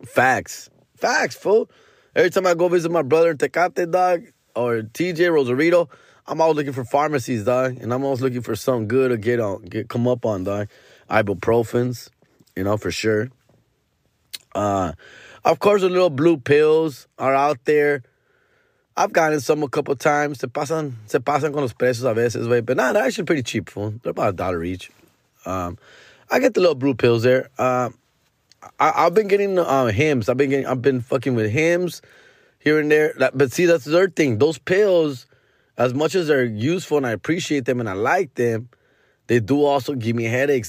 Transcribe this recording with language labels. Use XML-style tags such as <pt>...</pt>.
<en>Facts, fool. Every time I go visit my brother in Tecate, dog, or TJ Rosarito, I'm always looking for pharmacies, dog, and I'm always looking for something good to get on, come up on, dog. Ibuprofens, you know, for sure. Of course, the little blue pills are out there. I've gotten some a couple times.</en> <es>Se pasan con los precios a veces, wey.</es> <en>But nah, they're actually pretty cheap, fool. They're about $1 each. I get the little blue pills there. I've been getting Hims. I've been fucking with Hims here and there. But see, that's the third thing. Those pills, as much as they're useful and I appreciate them and I like them, they do also give me headaches.</en>